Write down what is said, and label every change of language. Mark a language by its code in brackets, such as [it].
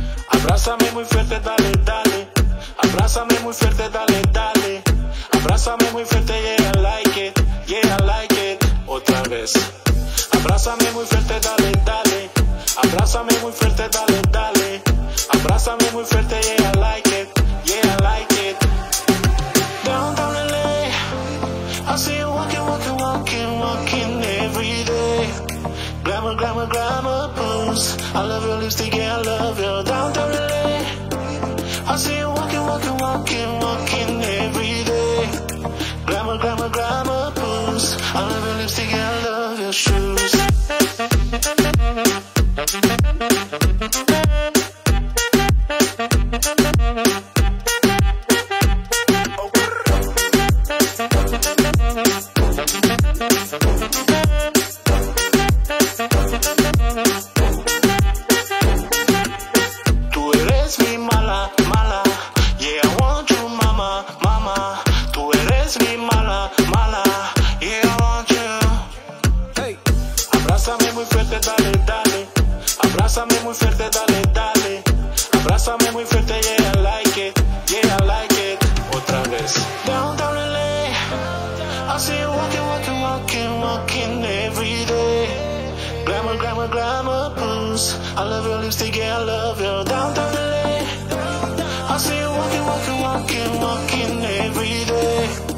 [es] Abrázame muy fuerte, dale, dale. Abrázame muy fuerte, dale, dale. Abrázame muy fuerte, [en] yeah, I like it. Yeah, I like it. [es] Otra vez. Abrázame muy fuerte, dale, dale. Abrázame muy fuerte, dale, dale. Abrázame muy fuerte, [en] yeah, I like it. Yeah, I like it. Downtown LA, I see you walking, walking, walking, walking every day. Glamour, glamour, glamour boost. I love your lipstick, yeah, I love your downtown LA. I see you walking, walking, walking, walking every day. Glamour, glamour, glamour boost. I love your lipstick, yeah, I love your shoes. [es] Tú eres mi mala, mala. [en] Yeah, I want you, [es] mama, mama. Tú eres mi mala, mala. [en] Yeah, I want you. [es] Hey, abrázame muy fuerte, dale, dale. Abrázame muy fuerte, dale, dale. Abrázame muy fuerte, [en] yeah, I like it. Yeah, I like it. [es] Otra vez. [en] Downtown LA, I see you walking, walking, walking, walking every day. Glamour, glamour, glamour boost. I love your lipstick, yeah, I love your downtown LA. I see you walking, walking, walking, walking every day.